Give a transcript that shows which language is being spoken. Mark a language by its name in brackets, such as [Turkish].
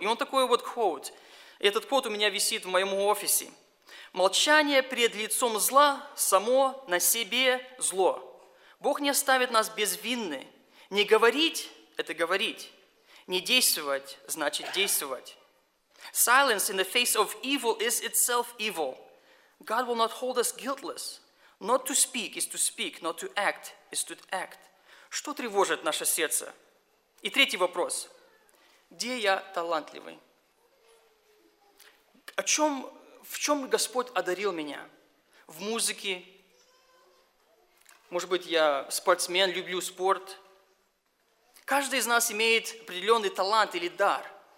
[Russian] И он такой вот quote, и этот quote у меня висит в моем офисе. «Молчание пред лицом зла само на себе зло. Бог не оставит нас безвинны. Не говорить – это говорить». Не действовать, значит действовать. [English] Silence in the face of evil is itself evil. God will not hold us guiltless. Not to speak is to speak, not to act is to act. [Russian] Что тревожит наше сердце? И третий вопрос. Где я талантливый? В чем Господь одарил меня? В музыке? Может быть, я спортсмен, люблю спорт? Каждый из нас имеет определенный талант или дар.